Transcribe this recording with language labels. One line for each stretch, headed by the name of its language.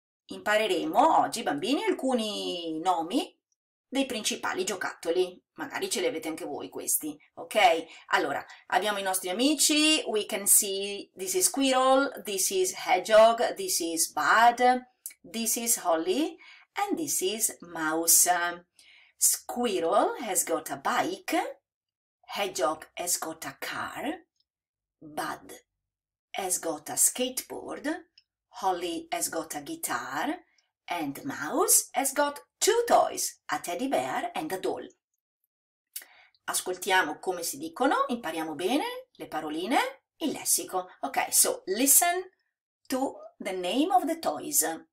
Italian: Impareremo oggi, bambini, alcuni nomi dei principali giocattoli. Magari ce li avete anche voi questi, ok? Allora, abbiamo i nostri amici.
English: We can see this is Squirrel, this is Hedgehog, this is Bud, this is Holly, and this is Mouse. Squirrel has got a bike, Hedgehog has got a car, Bud has got a skateboard, Holly has got a guitar, and Mouse has got two toys, a teddy bear and a doll.
Italian: Ascoltiamo come si dicono, impariamo bene le paroline, il lessico.
English: Ok, so listen to the name of the toys.